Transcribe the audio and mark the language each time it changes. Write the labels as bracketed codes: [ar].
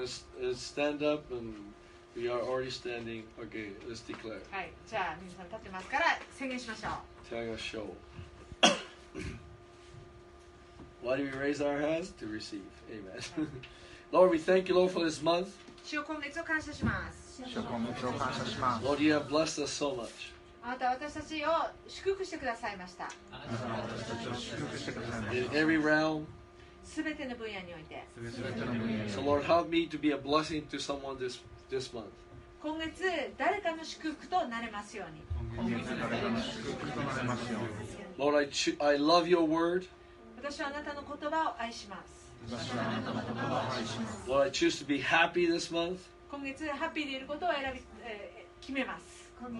[en] Let's stand up, and we are already standing. Okay, let's declare. [ja] はい、じゃあ皆さん立ってますから宣言しましょう。 [en] Tell us show. Why do we raise our hands to receive? Amen. Lord, we thank you, Lord, for this month. [ja] 主よ、今月を感謝します。主よ、今日感謝します。 [en] Lord, you have blessed us so much. [ja] あなたは私たちを祝福してくださいました。あなたは私たちを祝福してくださいました [en] 。 In every realm, [ja] 全ての分野において。 [en] So Lord, help me to be a blessing to someone this month. [ja] 今月誰かの祝福となれますように。 [en] Lord, I love your word. [ja] 私はあなたの言葉を愛します。 [en] Lord, I choose to be happy this month. [ja] 今月ハッピーでいることを決めます。